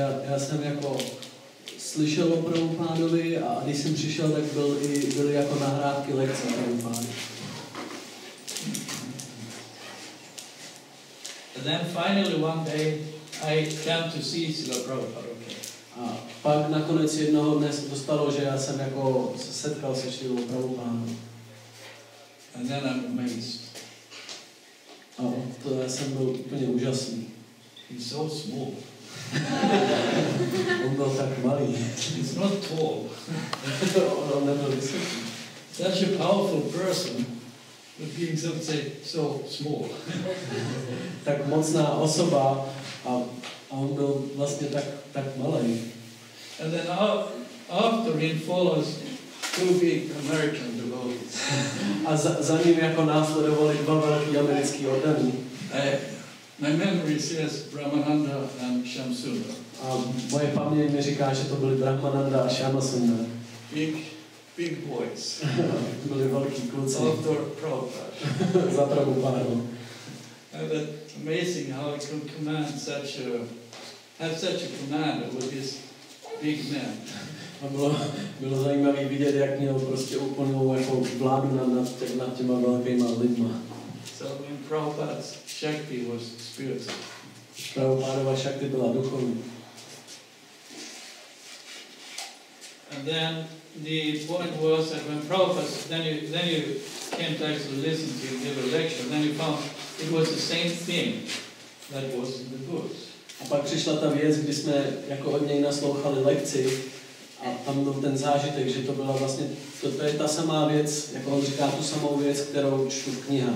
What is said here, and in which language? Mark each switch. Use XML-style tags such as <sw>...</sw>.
<cs>Já jsem jako slyšel o Prabhupádovi a když jsem přišel, tak byly jako nahrávky lekce Prabhupády.</cs> <en>And then finally one day I came to see Srila Prabhupada. Okay.</en> <cs>A pak nakonec jednoho dne se dostalo, že já jsem jako se setkal se Srila Prabhupádou.</cs> <en>And then I'm amazed.</en> <cs>Oh, to já jsem byl úplně úžasný.</cs> <en>He's so small.</en> <cs>On byl tak malý.</cs> <en>He's not tall.</en> <cs>On nebyl vysoký.</cs> <en>Such a powerful person, but being some say so small.</en> <cs>Tak mocná osoba a on byl vlastně tak malý.</cs> <en>And then after him follows two big American devotees.</en> <cs>A za ním jako následovali dva velký americký oddaní.</cs> <en>My memory says Brahmananda and Shamsunda.</en> <cs>A moje paměť mi říká, že to byli Brahmananda a Shamsunda.</cs> <en>Big boys.</en> <cs>Byli velký kluci.</cs> <en>After Prabhupada.</en> <cs>Za Prabhupádou.</cs> <en>And amazing how he can command such a, have such a command with this big man.</en> <cs>A bylo zajímavé vidět, jak měl prostě úplnou jako vládu nad těma velkýma lidma.</cs> <en>So when Prabhupada's Shakti was spiritual.</en> <cs>Prabhupádova Shakti byla duchovní.</cs> <en>And then the point was that when Prabhupada, then you came to actually listen to him give a lecture, then you found it was the same thing that was in the books.</en> <cs>A pak přišla ta věc, kdy jsme jako od něj naslouchali lekci, a tam byl ten zážitek, že to byla vlastně, to je ta samá věc, jako on říká, tu samou věc, kterou čtu v</cs>